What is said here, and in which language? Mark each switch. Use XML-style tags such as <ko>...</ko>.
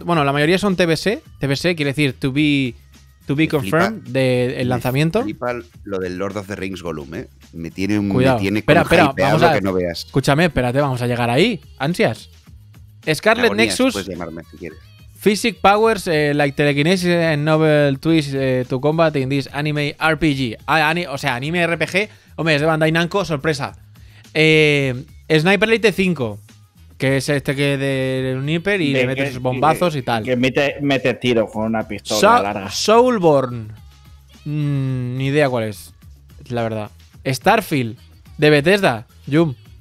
<es>Bueno, la mayoría son TBC. TBC quiere decir To Be Confirmed del lanzamiento. Me flipa lo del Lord of the Rings Golem, ¿eh? Me tiene un... Cuidado. Me tiene con espera, hypeado, vamos a, lo que no veas. Escúchame, espérate, vamos a llegar ahí. Ansias. Scarlet Agonías, Nexus... Puedes llamarme si quieres.</es> <en>Physic powers like telekinesis and novel twist to combat in this anime RPG.</en> <es>Anime RPG. Hombre, es de Bandai Namco, sorpresa. Sniper Elite 5, que es este que de un hiper y le metes bombazos y tal. Que mete tiro con una pistola larga. Soulborn. Ni idea cuál es, la verdad. Starfield, de Bethesda. Jum.</es>